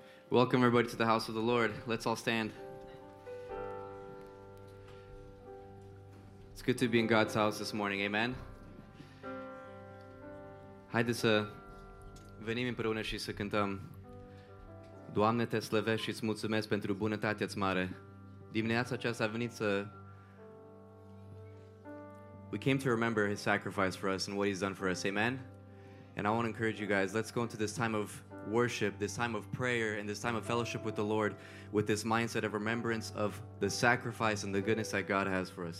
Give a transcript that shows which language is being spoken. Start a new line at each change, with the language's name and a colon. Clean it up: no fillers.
English: Welcome everybody to the house of the Lord. Let's all stand. It's good to be in God's house this morning. Amen.
Romanian: Haideți să venim împreună și să cântăm. Doamne, te slăvesc și îți mulțumesc pentru bunătatea-ți mare. Dimineața aceasta a venit să...
English: We came to remember his sacrifice for us and what he's done for us. Amen. And I want to encourage you guys, let's go into this time of worship, this time of prayer, and this time of fellowship with the Lord with this mindset of remembrance of the sacrifice and the goodness that God has for us.